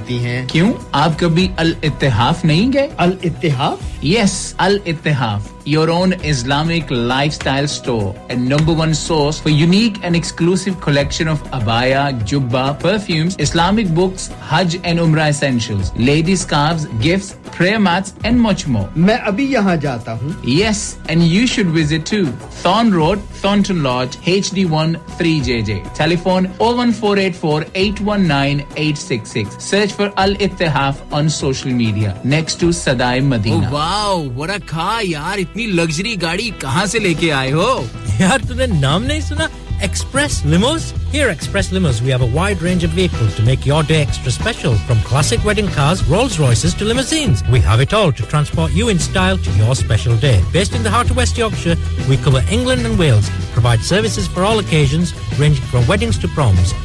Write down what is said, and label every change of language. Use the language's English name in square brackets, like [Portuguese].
[Hindi] क्यों आप कभी अल इत्तेहाफ नहीं गए अल इत्तेहाफ [English] Yes Al Ittehaf Your own Islamic lifestyle store and number one source for unique and exclusive collection of abaya, jubba, perfumes, Islamic books, Hajj and Umrah essentials, lady scarves, gifts, prayer mats, and much more. [Hindi] Main abhi yahan jata hoon. [English] Yes, and you should visit too. Thorn Road, Thornton Lodge, HD1 3JJ. Telephone 01484 819 866. Search for Al Ittihaf on social media next to Sadai Madina. Oh, wow, what a car, yaar. [Hindi] इतनी luxury गाड़ी कहां से लेके आए हो यार तूने नाम नहीं सुना Express Limos? [English] Here at Express Limos, we have a wide range of vehicles to make your day extra special, from classic wedding cars, Rolls Royces to limousines. We have it all to transport you in style to your special day. Based in the heart of West Yorkshire, we cover England and Wales, provide services for all occasions, ranging from weddings to proms.